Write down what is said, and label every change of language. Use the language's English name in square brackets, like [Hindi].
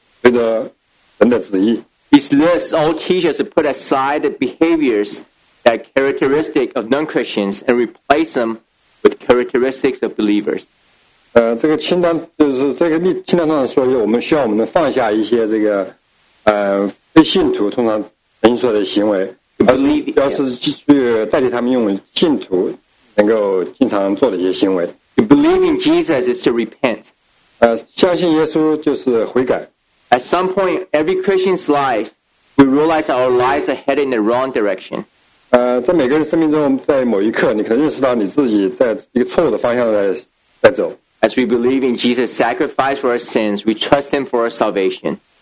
[English] This list all teaches to put aside the behaviors that are characteristic of non-Christians and replace them with characteristics of believers. [Chinese] 这个清单就是这个清单上说，我们需要我们放下一些这个非信徒通常诊所的行为，而是要是去代替他们用信徒能够经常做的一些行为。 [English] Believe in Jesus is to repent. [Chinese] 相信耶稣就是悔改。 [English] At some point, every Christian's life, we realize that our lives are headed in the wrong direction. [Chinese] 在每个人生命中，在某一刻，你可能认识到你自己在一个错误的方向在走。 [English] As we believe in Jesus' sacrifice for our sins, we trust Him for our salvation.